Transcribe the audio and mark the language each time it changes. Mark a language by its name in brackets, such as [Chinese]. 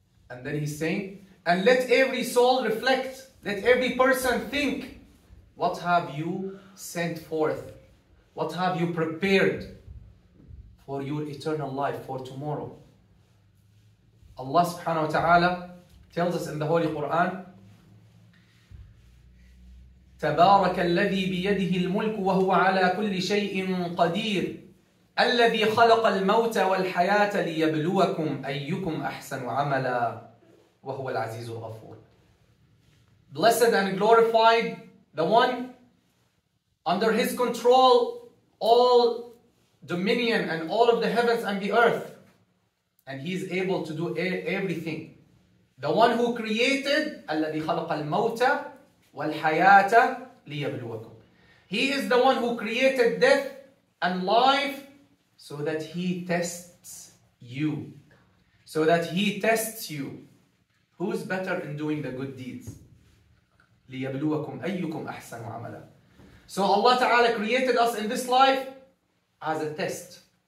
[English] And then He's saying, and let every soul reflect, let every person think, what have you sent forth? What have you prepared for your eternal life, for tomorrow? Allah subhanahu wa ta'ala tells us in the Holy Quran, [Arabic] تبارك الذي بيده الملك وهو على كل شيء قدير الذي خلق الموت والحياة ليبلوكم أيكم أحسن عملا وهو العزيز الغفور. [English] Blessed and glorified, the one under His control, all dominion and all of the heavens and the earth, and He is able to do everything. The one who created, [Arabic] الذي خلق الموت والحياة ليبلوكم. [English] He is the one who created death and life so that He tests you. So that He tests you. Who's better in doing the good deeds? [Arabic] ليبلوكم أيكم أحسن عملا. [English] So Allah Ta'ala created us in this life as a test.